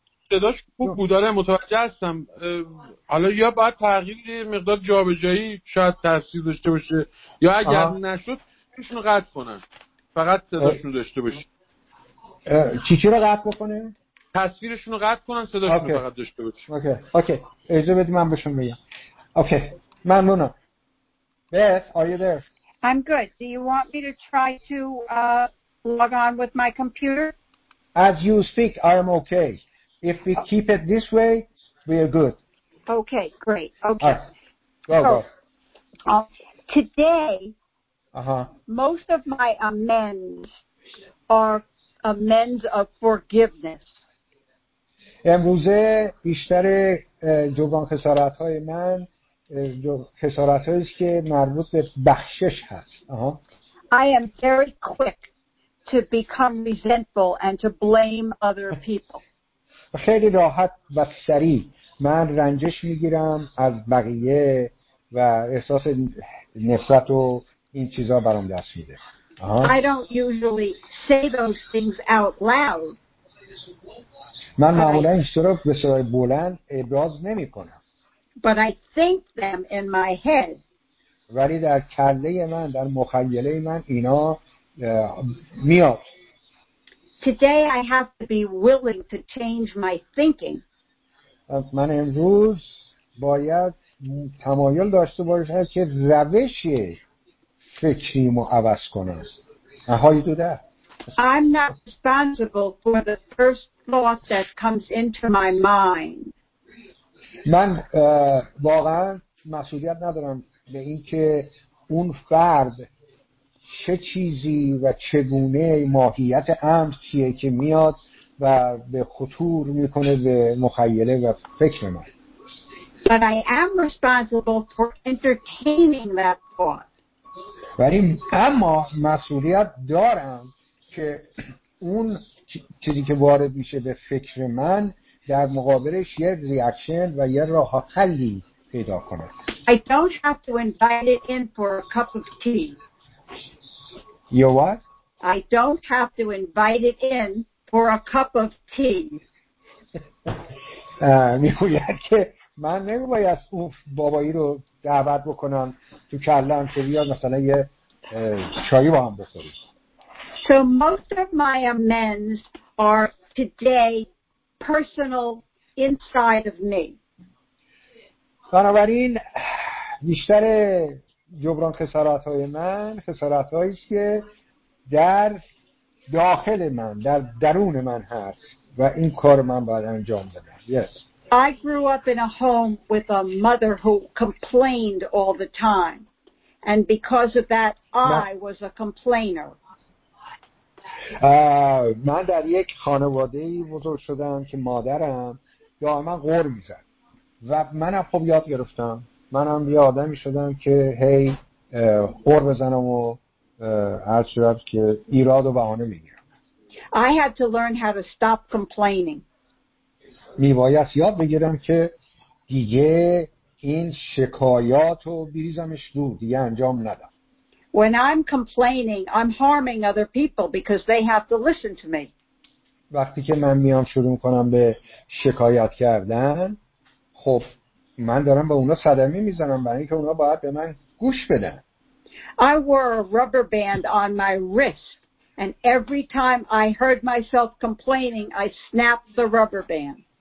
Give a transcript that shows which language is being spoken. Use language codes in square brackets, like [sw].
[fa] صداش خوب بود، داره متوجه هستم. حالا یا باید تغییر مقدار جابجایی شاید تاثیر داشته باشه، یا اگر نشود ایشونو قطع کنن، فقط صداشونو داشته باشه. چی رو قطع بکنه؟ تصویرشونو قطع کنن، صداشونو فقط داشته باشه. اوکی اوکی، اجازه بدید من بهشون بگم. اوکی، ممنونم. [en] Beth, are you there? I'm good. Do you want me to try to log on with my computer? As you speak, I am okay. If we keep it this way, we are good. Okay, great. Okay. Go. Today, most of my amends are amends of forgiveness. [fa] امروزه بیشتر جبران خسارت‌های من خسارت‌هایی است که مربوط به بخشش هست. [en] I am very quick to become resentful and to blame other people. [fa] خیلی راحت و سریع من رنجش میگیرم از بقیه و احساس نفرت و این چیزا برام دست میده. [en] I don't usually say those things out loud. [fa] من معمولا این صورت به صورت بلند ابراز نمی کنم. [en] But I think them in my head. [fa] ولی در کله من، در مخیله من اینا میاد. [en] Today I have to be willing to change my thinking. [fa] من امروز باید تمایل داشته باشم که روش فکریم رو عوض کنم. [en] How you do that? I'm not responsible for the first thought that comes into my mind. [fa] من واقعا مسئولیت ندارم به اینکه اون فرد چه چیزی و چگونه ماهیت امر چیه که میاد و به خطور میکنه به مخیله و فکر من. [en] But I am responsible for entertaining that thought. [fa] ولی اما مسئولیت دارم که اون چیزی که وارد میشه به فکر من در مقابلش یه ریاکشن و یه راه حلی پیدا کنه. [en] I don't have to invite it in for a cup of tea. You what? I don't have to invite it in for a cup of tea. [fa] میگوید که من نمیباید اون بابایی رو دعوت بکنم تو کلم که بیاد مثلا یه چایی با هم بخوریم. [en] So most of my amends are today personal inside of me. [fa] بنابراین بیشتر جبران خسارات های من خسارات هایی که در داخل من در درون من هست و این کار من باید انجام بدم. [en] Yes. I grew up in a home with a mother who complained all the time. And because of that, I was a complainer. [fa] من در یک خانواده بزرگ شدم که مادرم دائما غر می‌زد. و منم خوب یاد گرفتم. منم یه آدمی شدم که هی غر بزنم و هر چیزی که ایراد و بهانه می‌گیرم. [en] I had to learn how to stop complaining. [fa] میباید یاد بگیرم که دیگه این شکایات رو بریزمش دور، دیگه انجام ندم. [en] When I'm complaining, I'm harming other people because they have to listen to me. [fa] وقتی که من میام شروع کنم به شکایت کردن، خب من دارم به اونا صدمه میزنم برای اینکه اونا باید به من گوش بدن. [en] I wore a rubber band on my wrist and every time I heard myself complaining, I snapped the rubber band.